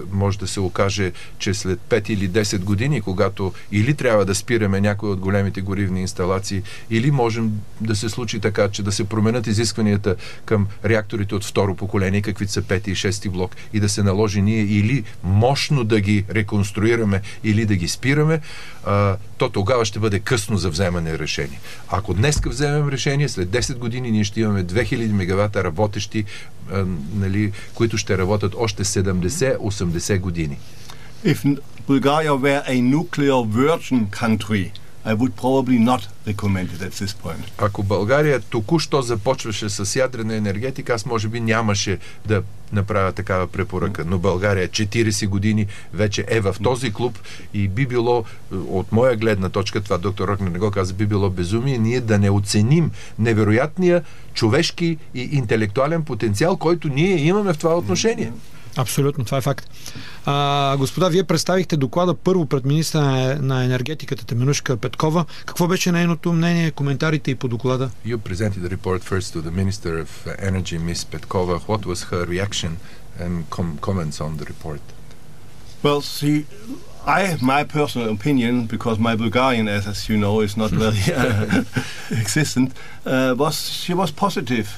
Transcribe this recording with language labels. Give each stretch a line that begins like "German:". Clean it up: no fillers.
Bulgarian: Може да се окаже, че след 5 или 10 години, когато или трябва да спираме някои от големите горивни инсталации, или можем да се случи така, че да се променят изискванията към реакторите от второ поколение, каквито са 5 и 6 блок, и да се наложи ние или мощно да ги реконструираме, или да ги спираме, то тогава ще бъде късно за вземане решение. Ако днеска вземем решение, след 10 години ние ще имаме 2000 мегавата работещи, нали, които ще работят още 70-80 години.
English: If Bulgaria were a nuclear virgin country, I would probably not recommend it at this point.
Bulgarian: Ако България току-що започваше с ядрена енергетика, аз може би нямаше да направя такава препоръка. Но България 40 години вече е в този клуб и би било, от моя гледна точка, това доктор Рокнер не го каза, би било безумие ние да не оценим невероятния човешки и интелектуален потенциал, който ние имаме в това отношение. Абсолютно, това е факт. Господа, вие представихте доклада първо пред министъра на енергетиката Теменужка Петкова. Какво беше нейното мнение, коментарите и по доклада?
English: You presented the report first to the Minister of Energy, Ms. Petkova. What was her reaction and comments on the report? Well, see, I have my personal opinion, because my Bulgarian, as you know, is not very existent, she was positive.